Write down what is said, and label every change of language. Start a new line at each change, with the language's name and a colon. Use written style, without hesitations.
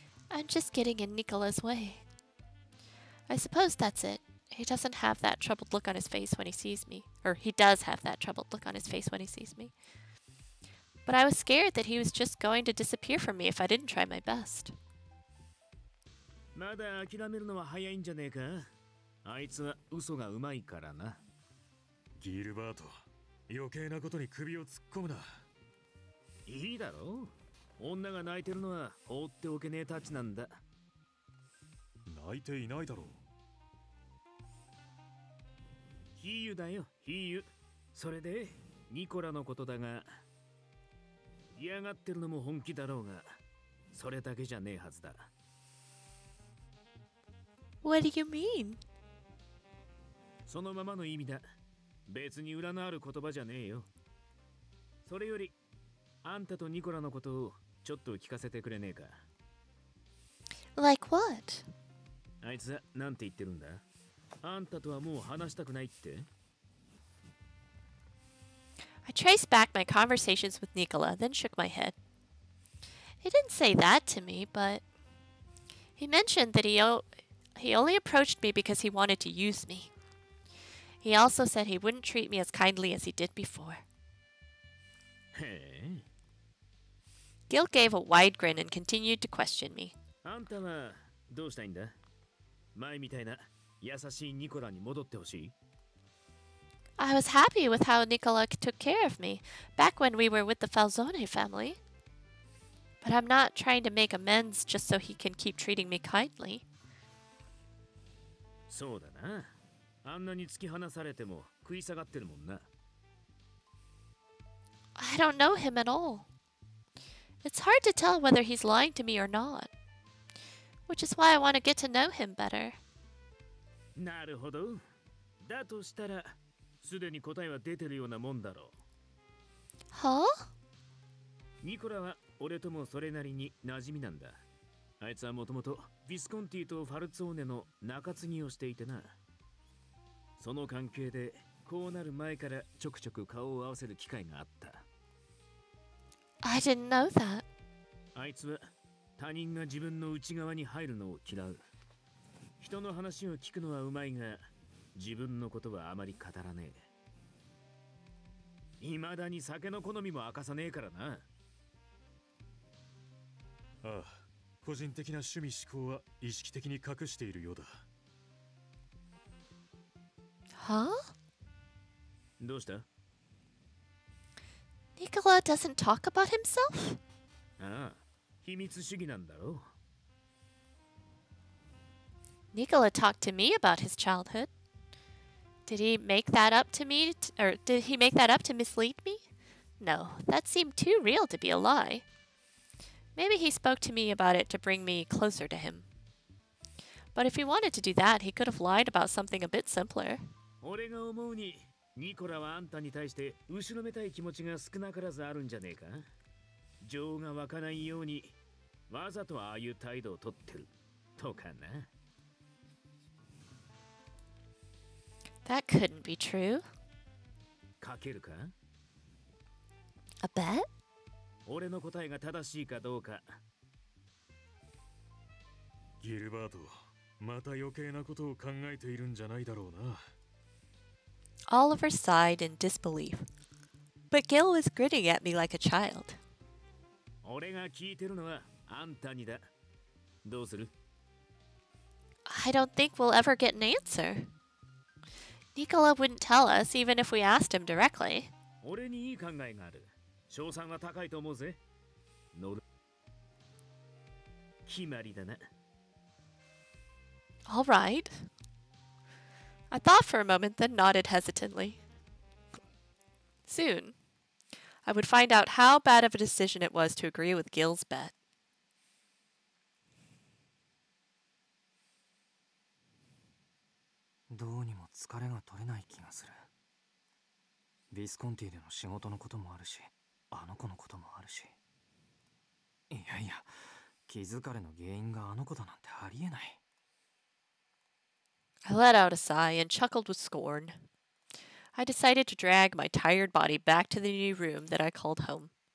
English: I'm just getting in Nicola's way. I suppose that's it. He doesn't have that troubled look on his face when he sees me. Or he does have that troubled look on his face when he sees me. But I was scared that he was just going to disappear from me if I didn't try my best.
Japanese: まだ諦めるのは早いんじゃねえか。あいつは嘘がうまいからな。ギルバート、余計なことに首を突っ込むな。いいだろう。女が泣いてるのは放っておけねえたちなんだ。泣いていないだろう。比喩だよ、比喩。それで、ニコラのことだが、嫌がってるのも本気だろうが、それだけじゃねえはずだ。
English: What do you mean?
Japanese: そのままの意味だ。別に裏のある言葉じゃねえよ。それより、あんたとニコラのことをちょっと聞かせてくれねえか。
English: Like what?
Japanese: あいつは何て言ってるんだ？あんたとはもう話したくないって？
English: I traced back my conversations with Nicola, then shook my head. He didn't say that to me, but he mentioned that he only approached me because he wanted to use me. He also said he wouldn't treat me as kindly as he did before. Hey. Gil gave a wide grin and continued to question me.
Japanese: あんたはどうしたいんだ？前みたいな優しいニコラに戻ってほしい。
English: I was happy with how Nicola took care of me back when we were with the Falzone family. But I'm not trying to make amends just so he can keep treating me kindly.
Japanese: そうだな。あんなに突き放されても食い下がってるもんな。
English: I don't know him at all. It's hard to tell whether he's lying to me or not. Which is why I want to get to know him better.
Japanese: なるほど。だとしたら、すでに答えは出てるようなもんだろう。は？ニコラは俺ともそれなりに馴染みなんだ。あいつはもともとヴィスコンティとファルツォーネの中継ぎをしていてな。その関係でこうなる前からちょくちょく顔を合わせる機会があった。
English: I didn't know that.
Japanese: あいつは他人が自分の内側に入るのを嫌う。人の話を聞くのはうまいが、自分のことはあまり語らねえ。未だに酒の好みも明かさねえからな。ああ、個人的な趣味嗜好は意識的に隠しているようだ。は？どうした？
English: Nicola doesn't talk about himself?
Japanese: ああ、秘密主義なんだろう。
English: Nicola talked to me about his childhood. Did he make that up to me, or did he make that up to mislead me? No, that seemed too real to be a lie. Maybe he spoke to me about it to bring me closer to him. But if he wanted to do that, he could have lied about something a bit simpler.
Japanese: 俺が思うに…ニコラはあんたに対して後ろめたい気持ちが少なからずあるんじゃねえか。情が湧かないようにわざとああいう態度をとってるとかな。
English: That couldn't be true.
Japanese: かけるか？
English: A bet?
Japanese: 俺の答えが正しいかどうか。ギルバート、また余計なことを考えているんじゃないだろうな。
English: Oliver sighed in disbelief, but Gil was grinning at me like a child.
Japanese: 俺が聞いてるのはあんたにだ。どうする？
English: I don't think we'll ever get an answer. Nicola wouldn't tell us, even if we asked him directly.
Japanese: 俺にいい考えがある。賞賛は高いと思うぜ。乗る。決まりだな。
English: All right. I thought for a moment, then nodded hesitantly. Soon, I would find out how bad of a decision it was to agree with Gil's bet.
Japanese: どうにも疲れが取れない気がする。ビスコンティでの仕事のこともあるし、あの子のこともあるし。いやいや、気疲れの原因があの子だなんてありえない。
English: I let out a sigh and chuckled with scorn. I decided to drag my tired body back to the new room that I called home.